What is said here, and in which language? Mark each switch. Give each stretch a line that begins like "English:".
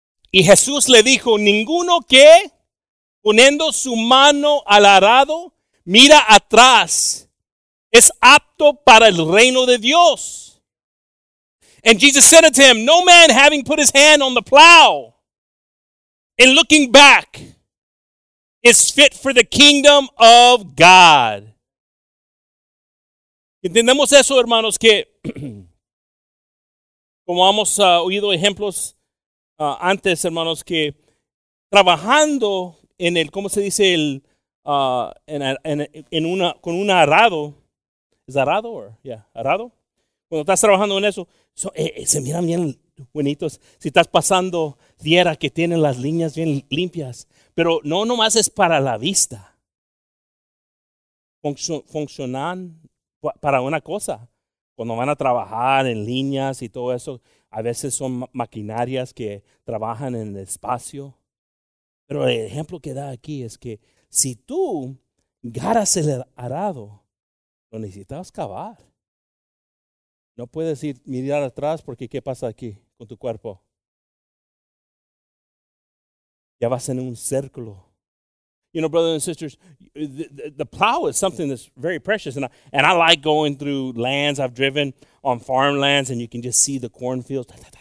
Spanish: Y Jesús le dijo, ninguno que poniendo su mano al arado mira atrás es apto para el reino de Dios.
English: And Jesus said unto him, no man having put his hand on the plow and looking back is fit for the kingdom of God.
Spanish: Entendemos eso, hermanos, que como hemos oído ejemplos antes, hermanos, que trabajando en el, ¿cómo se dice? Con un arado. ¿Es arado? ¿Arado? Cuando estás trabajando en eso, se miran bien buenitos. Si estás pasando tierra que tiene las líneas bien limpias. Pero no nomás es para la vista. Funcionan para una cosa. Cuando van a trabajar en líneas y todo eso, a veces son maquinarias que trabajan en el espacio. Pero el ejemplo que da aquí es que si tú garas el arado, lo necesitas cavar. No puedes ir mirar atrás porque ¿qué pasa aquí con tu cuerpo? Ya vas en un círculo.
English: You know, brothers and sisters, the plow is something that's very precious. And I like going through lands. I've driven on farmlands and you can just see the cornfields.